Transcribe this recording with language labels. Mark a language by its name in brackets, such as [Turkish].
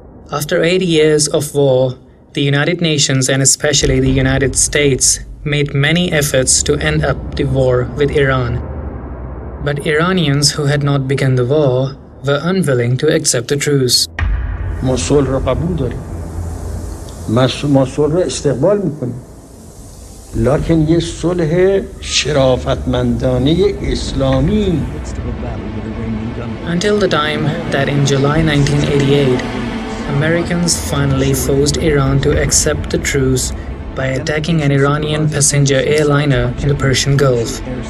[English] After 8 years of war, the United Nations and especially the United States made many efforts to end up the war with Iran. But Iranians who had not begun the war were unwilling to accept the truce. [Persian] ما صلح را قبول داریم. ما صلح را استقبال میکنیم. لکن یه صلح شرافتمندانه اسلامی. [English] Until the time that in July 1988, Americans finally forced Iran to accept the truce by attacking an Iranian passenger airliner in the Persian Gulf.